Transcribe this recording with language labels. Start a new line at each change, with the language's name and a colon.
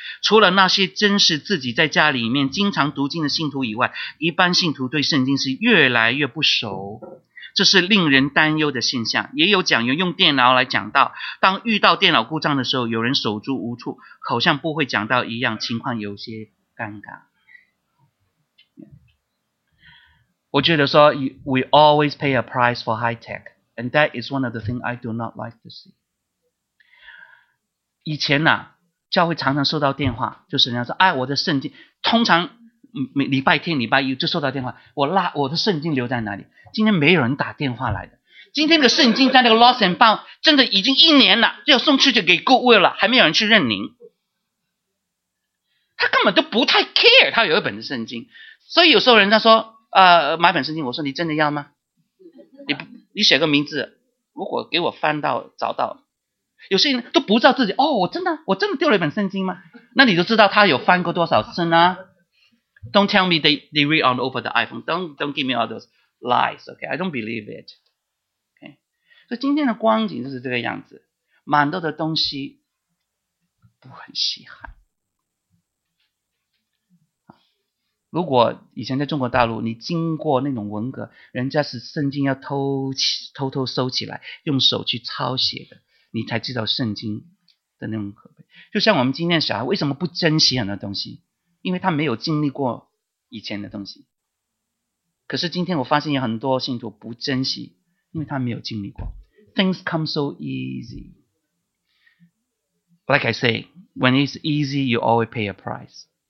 Chinese: 除了那些真是自己在家里面经常读经的信徒以外，一般信徒对圣经是越来越不熟，这是令人担忧的现象。也有讲员用电脑来讲道，当遇到电脑故障的时候，有人手足无措，好像不会讲到一样，情况有些尴尬。我觉得说
English: We always pay a price for high tech, and that is one of the things I do not like to see。
Chinese: 以前呢，教会常常收到电话，就是人家说哎，我的圣经，通常礼拜天礼拜一就收到电话，我的圣经留在哪里。今天没有人打电话来的，今天的圣经在那个 Lost and Found 真的已经一年了，就要送出去给 Goodwill 了，还没有人去认领，他根本都不太 care 他有一本的圣经。所以有时候人家说买本圣经，我说你真的要吗？你写个名字，如果给我翻到找到，有些人都不知道自己，哦，我真的丢了一本圣经吗？那你就知道他有翻过多少次呢。
English: Don't tell me they read on over the iPhone. Don't give me all those lies. Okay, I don't believe it. Okay, so
Chinese: 今天的光景就是这个样子，蛮多的东西不很稀罕。如果以前在中国大陆你经过那种文革，人家是圣经要偷偷收起来用手去抄写的，你才知道圣经的那种可悲。就像我们今天的小孩为什么不珍惜很多东西，因为他没有经历过以前的东西。可是今天我发现有很多信徒不珍惜，因为他没有经历过。
English: Things come so easy. Like I say, when it's easy, you always pay a price.